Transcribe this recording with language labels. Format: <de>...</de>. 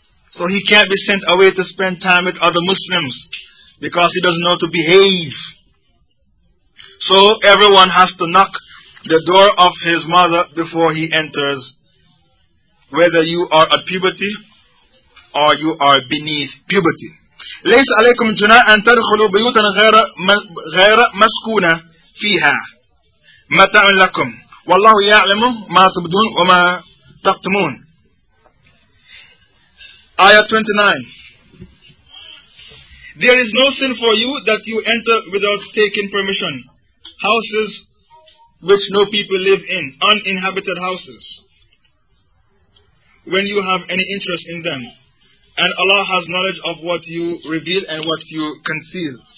<en>So he can't be sent away to spend time with other Muslims because he doesn't know to behave. So everyone has to knock the door of his mother before he enters, whether you are at puberty or you are beneath puberty.</en> <ar>ليس عليكم جناح أن تدخلوا بيوتا غير مسكونة فيها متاع لكم والله يعلم ما تبدون وما تكتمون.</ar> <en>Ayah 29. There is no sin for you that you enter without taking permission. Houses which no people live in, uninhabited houses, when you have any interest in them. And Allah has knowledge of what you reveal and what you conceal.</en>